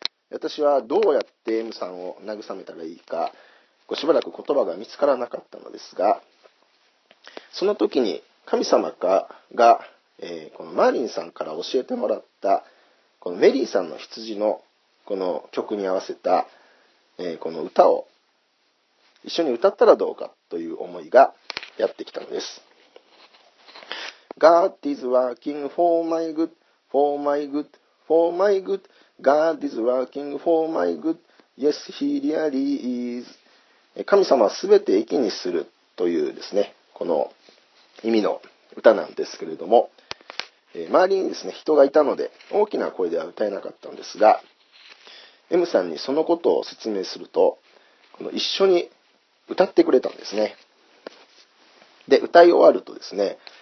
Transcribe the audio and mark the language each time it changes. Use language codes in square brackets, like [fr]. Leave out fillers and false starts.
[ja] 私はどうやって M さんを慰めたらいいか、しばらく言葉が見つからなかったのですが、その時に神様が、このマーリンさんから教えてもらった、このメリーさんの羊のこの曲に合わせた、この歌を一緒に歌ったらどうかという思いがやってきたのです。 [en] God is working for my good, for my good, for my good. God is working for my good. Yes, he really is. [ja] 神様は全て益にするというですね、この意味の歌なんですけれども、周りにですね、人がいたので大きな声では歌えなかったんですが、M さんにそのことを説明すると、この一緒に歌ってくれたんですね。で、歌い終わるとですね、